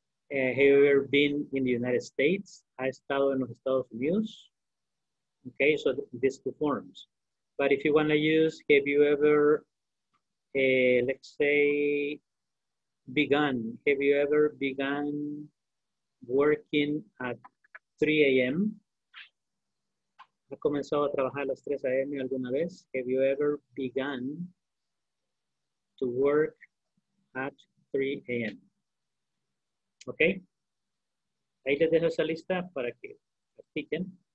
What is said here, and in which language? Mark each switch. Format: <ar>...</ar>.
<en>Have you ever been in the United States?</en> <es>¿Ha estado en los Estados Unidos?</es> <en>Okay, so these two forms. But if you want to use, have you ever, let's say, begun? Have you ever begun working at 3 a.m.?</en> <es>¿Ha comenzado a trabajar a las 3 a.m. alguna vez?</es> <en>Have you ever begun to work at 3 a.m.?</en> <es>Okay, ahí les dejo esa lista para que practiquen.</es>